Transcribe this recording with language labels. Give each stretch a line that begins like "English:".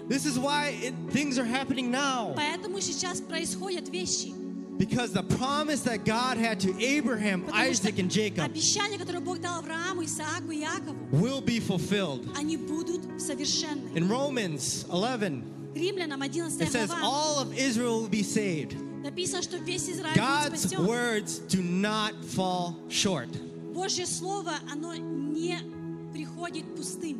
English: This is why things are happening now.
Russian: Поэтому сейчас происходят вещи.
English: Because the promise that God had to Abraham, Isaac, and Jacob
Russian: обещание, которое Бог дал Аврааму, Исааку, Якову,
English: will be fulfilled.
Russian: Они будут совершенны.
English: In Romans 11,
Russian: Римлянам 11,
English: it says all of Israel will be saved.
Russian: Написано, что весь Израиль
English: God's
Russian: будет спасен.
English: Words do not fall short.
Russian: Божье слово, оно не приходит пустым.